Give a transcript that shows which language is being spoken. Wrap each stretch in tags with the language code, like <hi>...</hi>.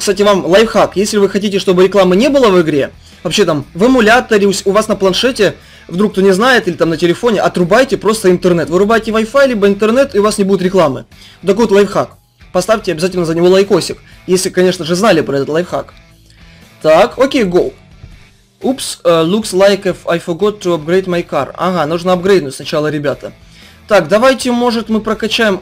<ru>Кстати, вам лайфхак, если вы хотите, чтобы рекламы не было в игре, вообще там в эмуляторе у вас на планшете, вдруг кто не знает, или там на телефоне, отрубайте просто интернет. Вырубайте Wi-Fi, либо интернет, и у вас не будет рекламы. Такой вот лайфхак. Поставьте обязательно за него лайкосик, если, конечно же, знали про этот лайфхак. Так, окей, go.</ru> <en>Oops, looks like if I forgot to upgrade my car.</en> <ru>Ага, нужно апгрейднуть сначала, ребята. Так, давайте, может, мы прокачаем...</ru>